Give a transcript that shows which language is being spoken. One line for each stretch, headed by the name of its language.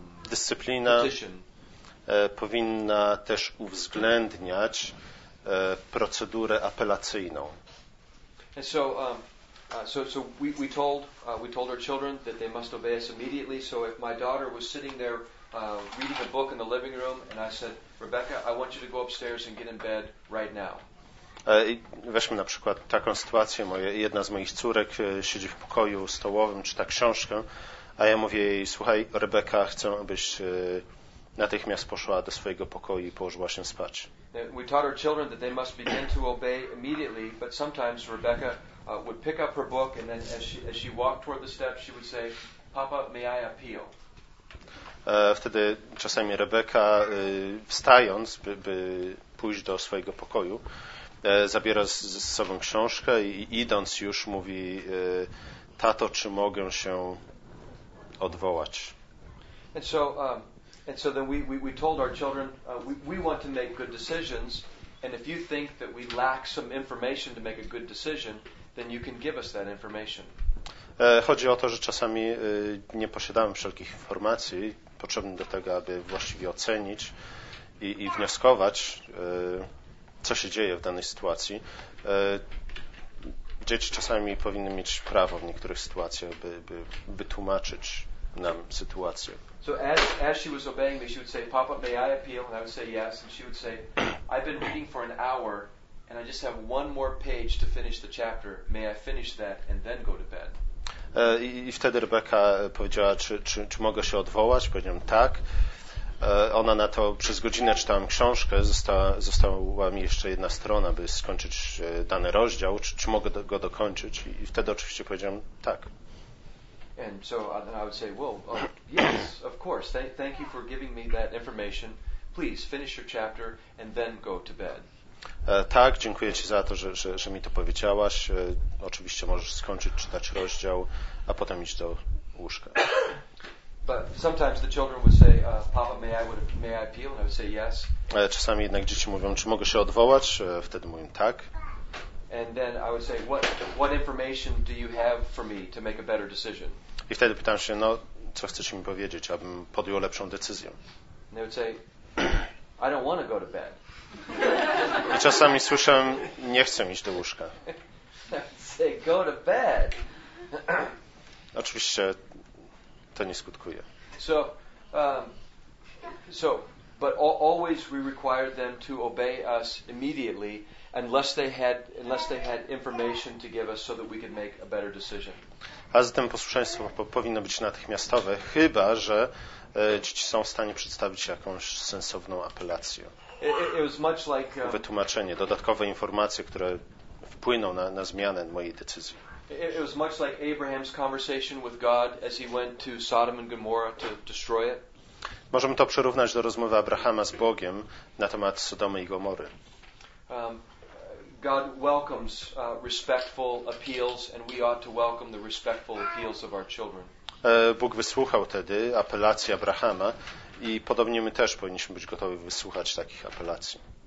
Polish: Dyscyplina powinna też uwzględniać procedurę apelacyjną.
English: So we told our children that they must obey us immediately. So if my daughter was sitting there reading a book in the living room, and I said, Rebecca, I want you to go upstairs and get in bed right now.
Polish: Weźmy na przykład taką sytuację. Jedna z moich córek siedzi w pokoju stołowym, czyta książkę, a ja mówię jej, słuchaj, Rebeka, chcę, abyś natychmiast poszła do swojego pokoju i położyła się spać.
English: We taught our children that they must begin to obey immediately, but sometimes Rebecca would pick up her book and then as she walked toward the steps, she would say, Papa, may I appeal?
Polish: Wtedy czasami Rebeka, wstając, by pójść do swojego pokoju, zabiera ze sobą książkę i idąc już mówi, tato, czy mogę się odwołać?
English: And so then we told our children, we want to make good decisions, and if you think that we lack some information to make a good decision, then you can give us that information.
Polish: Chodzi o to, że czasami nie posiadamy wszelkich informacji potrzebnych do tego, aby właściwie ocenić i wnioskować, co się dzieje w danej sytuacji. Dzieci czasami powinny mieć prawo w niektórych sytuacjach, by wytłumaczyć nam sytuację.
English: So as she was obeying me, she would say, Papa, may I appeal? And I would say yes. And she would say, I've been reading for an hour and I just have one more page to finish the chapter. May I finish that and then go to bed?
Polish: I wtedy Rebeka powiedziała, czy mogę się odwołać? Powiedziałem tak. Ona na to przez godzinę czytałam książkę, została mi jeszcze jedna strona, by skończyć dany rozdział, czy mogę go dokończyć? I wtedy oczywiście powiedziałem tak.
English: And so then I would say, well, yes, of course. Thank you for giving me that information. Please finish your chapter and then go to bed.
Polish: Tak, dziękuję ci za to, że mi to powiedziałaś. Oczywiście możesz skończyć czytać rozdział, a potem iść do łóżka.
English: But sometimes the children would say, Papa, may I appeal? And I would say yes.
Polish: Czasami jednak dzieci mówią, czy mogę się odwołać? Wtedy mówię tak.
English: And then I would say, what information do you have for me to make a better decision?
Polish: I wtedy pytam się, no, co chcesz mi powiedzieć, abym podjął lepszą decyzję?
English: And they would say, I don't want to go to bed.
Polish: I czasami słyszę, nie chcę iść do łóżka.
English: Say, go to bed.
Polish: Oczywiście to nie skutkuje.
English: So, but always we required them to obey us immediately, unless they had information to give us so that we could make a better decision.
Polish: A zatem posłuszeństwo powinno być natychmiastowe, chyba że dzieci są w stanie przedstawić jakąś sensowną apelację.
English: It was much like
Polish: wytłumaczenie, dodatkowe informacje, które wpłyną na zmianę mojej decyzji.
English: It was much like Abraham's conversation with God as he went to Sodom and Gomorrah to destroy it.
Polish: Możemy to przyrównać do rozmowy Abrahama z Bogiem na temat Sodomy i Gomory.
English: God welcomes respectful appeals and we ought to welcome the respectful appeals of our children.
Polish: Bóg wysłuchał wtedy apelacji Abrahama i podobnie my też powinniśmy być gotowi wysłuchać takich apelacji.